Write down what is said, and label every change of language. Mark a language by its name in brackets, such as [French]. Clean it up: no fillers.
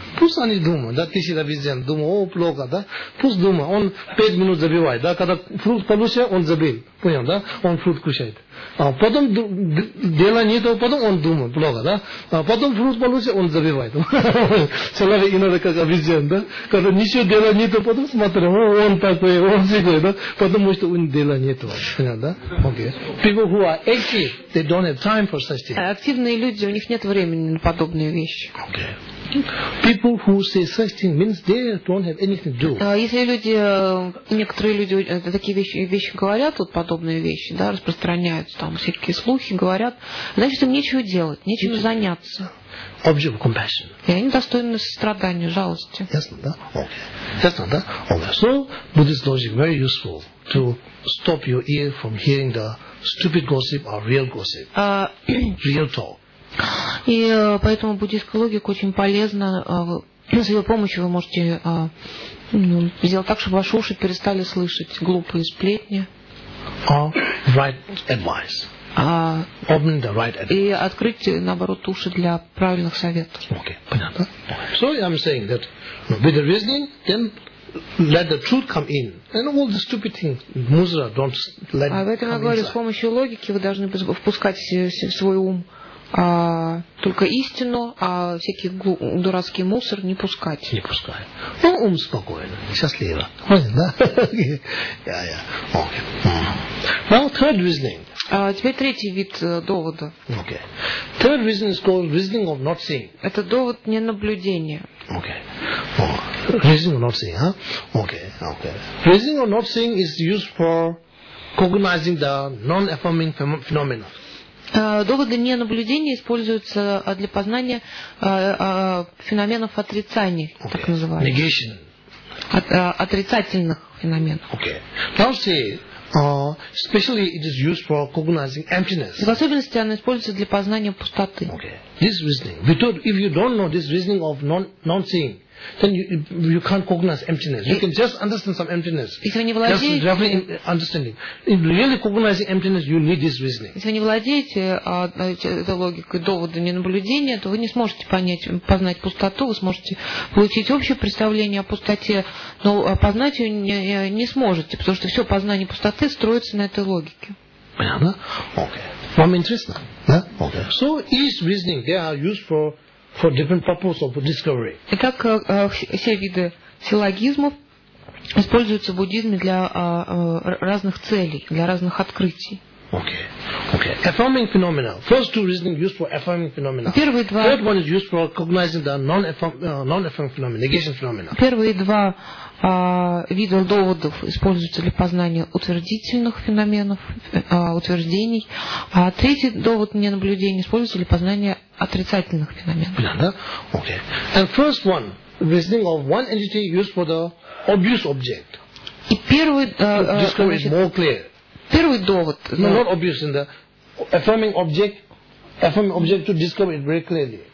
[Russian] Пусть они думают, да, тысяча обезьян думают, о, плохо, да? Пусть думают, он 5 минут забивает, да, когда фрукт получает, он забил, понял, да, он фрукт кушает. А потом дела нет, потом он думает, плохо, да, а потом фрукт получает, он забивает. Человек иногда как обезьян, да, когда ничего дела нет, потом смотрим, он такой, он сикой, да, потому что у него дела нет, понял, да, окей. [English] People who are active, they don't have time for such things. [Russian] Активные люди, у них нет времени на подобные вещи. Окей. [English] People who say such thing means they don't have anything to do. [Russian] Если люди, некоторые люди такие вещи говорят, вот подобные вещи, да, распространяются, там всякие слухи говорят, значит им нечего делать, нечем заняться. [English] Object of compassion. [Russian] И они достойны сострадания, жалости. Ясно, да? Okay. Ясно, да? Okay. [English] So Buddhist logic very useful to stop your ear from hearing the stupid gossip or real gossip. Real talk. [Russian] И поэтому буддийская логика очень полезна. С ее помощью вы можете сделать так, чтобы ваши уши перестали слышать глупые сплетни. [English] Right advice. Open the right advice. [Russian] И открыть, наоборот, уши для правильных советов. Okay, понятно. [English] So I'm saying that with the reasoning, then let the truth come in. And all the stupid things, musra, don't let it come inside. [Russian] А в этом я говорю, с помощью логики вы должны впускать в свой ум только истину, а всякий дурацкий мусор не пускать. Не пускаю. Ну, ум спокойный, счастливо. Понятно, да? Я. Окей. Теперь третий вид довода. Окей. Okay. [English] Third reason is called reasoning of not seeing. [Russian] Это довод ненаблюдения. [English] Окей. Okay. Reasoning of not seeing, huh? Okay, okay. Reasoning of not seeing is used for cognizing the non-affirming phenomena. [Russian] Доводы ненаблюдения используются для познания феноменов отрицания, okay. Так называемых. [English] Negation. [Russian] Отрицательных феноменов. [English] Okay. Now see, especially it is used for cognizing emptiness. [Russian] В особенности оно используется для познания пустоты. [English] Okay. This reasoning. Because if you don't know this reasoning of non-seeing, then you can't cognize emptiness. You can just understand some emptiness. [Russian] Если вы не владеете, [English] just definitely understanding. In really cognizing emptiness, you need this reasoning. [Russian] Если вы не владеете этой логикой довода ненаблюдения, то вы не сможете понять, познать пустоту, вы сможете получить общее представление о пустоте, но познать ее не сможете, потому что все познание пустоты строится на этой логике. Понятно? [English] Okay. [Russian] Вам интересно? Да? [English] Okay. So each reasoning they are used for. For different purposes of discovery. [Russian] Итак, все виды силлогизмов используются в буддизме для разных целей, для разных открытий. [English] Okay. Okay. Affirming phenomena. First two reasoning used for affirming phenomena. [Russian] Первые два. [English] Third one is used for cognizing the non-affirming phenomena, negation phenomena. [Russian] Первые два вида доводов используются для познания утвердительных феноменов, утверждений. А третий довод ненаблюдения используется для познания отрицательных феноменов. Да, да? Okay. [English] And first one, reasoning of one entity used for the obvious object. [Russian] И первый, [English] discovery is more clear. [Russian] Первый довод. [English] No, not obvious in the affirming object to discover it very clearly.